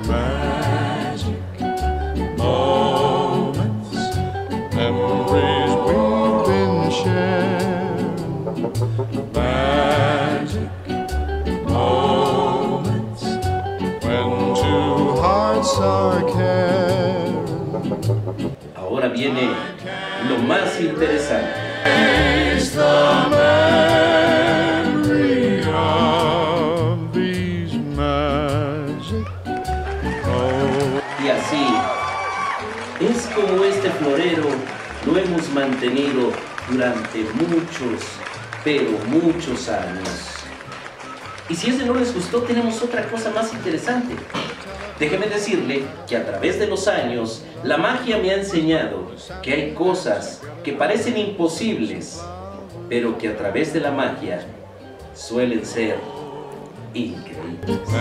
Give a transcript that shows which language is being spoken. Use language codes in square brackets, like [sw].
[en] Magic moments, memories we've been sharing. Magic moments when two hearts are caring. [es] Ahora viene lo más interesante. [en] It's the memory of these magic. [es] Y así es como este florero lo hemos mantenido durante muchos, pero muchos años. Y si ese no les gustó, tenemos otra cosa más interesante. Déjeme decirle que a través de los años, la magia me ha enseñado que hay cosas que parecen imposibles, pero que a través de la magia suelen ser increíbles.